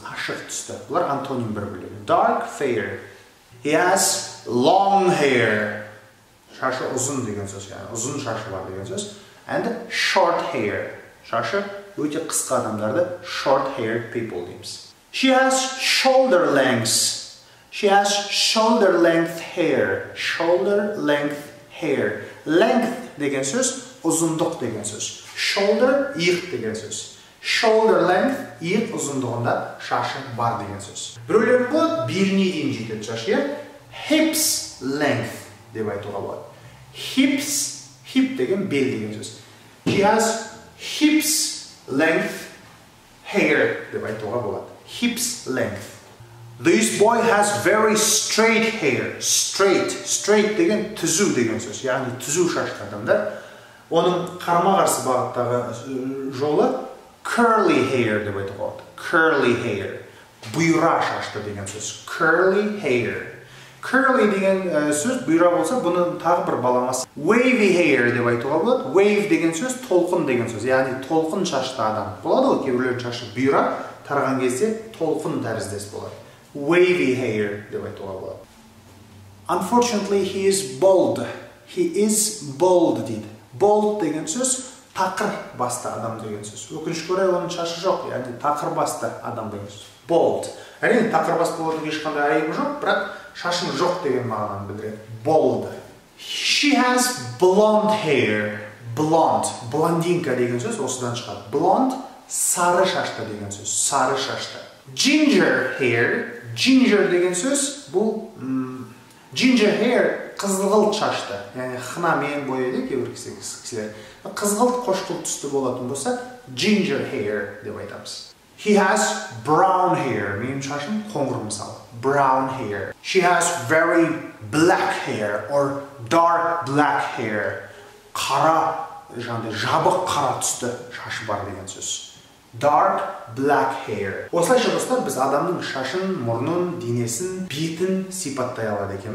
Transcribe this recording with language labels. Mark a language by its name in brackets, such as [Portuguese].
[Kazakh] Ашық түсті. Бұлар антоним бір-бірлері. [English] Dark, fair. He has long hair. [Kazakh] Шашы ұзын деген сөз, яғни ұзын шашы бар деген сөз. [English] And short hair. [Kazakh] Шашы өте қысқа адамдарды [English] short haired people [Kazakh] дейміз. [English] She has shoulder length. She has shoulder length hair. Shoulder length hair. [Kazakh] Length деген сөз ұзындық деген сөз. Shoulder иық деген сөз. [English] Shoulder length [Kazakh] иық ұзындығында шашы бар деген сөз. Біреулер болады беліне дейін жетеді шашы, иә? [English] Hips length [Kazakh] деп айтуға болады. Hips, hip деген бел деген сөз. [English] She has hips length hair [Kazakh] деп айтуға болады. [English] Hips length. This boy has very straight hair. Straight. [Kazakh] Straight деген түзу деген сөз. Яғни түзу шашты адамдар. Оның қарама-қарсы бағыттағы жолы [English] curly hair [Kazakh] деп айтуға болады. [English] Curly hair. [Kazakh] Бұйра шашты деген сөз. Curly hair. Curly деген сөз бұйра болса, бұның тағы бір баламасы. [English] Wavy hair [Kazakh] деп айтуға болады. Wave деген сөз толқын деген сөз. Яғни толқын шашты адам. Болады ғой, кейбіреулер шашы бұйра тараған кезде толқын тәріздес болады. [English] Wavy hair [Kazakh] деп айтуға болады. [English] Unfortunately, he is bald. He is bald дейді. [Kazakh] Bald деген сөз тақыр басты адам деген сөз. Өкінішке орай оның шашы жоқ, яғни тақыр басты адам деген сөз. Bald. Әрине, тақыр басты болудың ешқандай айыбы жоқ, бірақ шашым жоқ деген мағынаны білдіреді. [English] Bald. She has blonde hair. Blonde. [Kazakh] Блондинка деген сөз осыдан шығады. Blonde сары шашты деген сөз. Сары шашты. [English] Ginger hair. [Kazakh] Ginger деген сөз бұл [English] ginger hair [Kazakh] қызғылт шашты. Яғни хна мен бойы деп кейбір кісілер. Қызғылт қошқыл түсті болатын болса [English] ginger hair [Kazakh] деп айтамыз. [English] He has brown hair. [Kazakh] Мен шашым қоңыр мысалы. [English] Brown hair. She has very black hair or dark black hair. [Kazakh] Қара, жаңағыдай жабық қара түсті шашы бар деген сөз. [English] Dark black hair. [Kazakh] Осылайша достар, біз адамның шашын, мұрнын, денесін, бетін сипаттай алады екенбіз.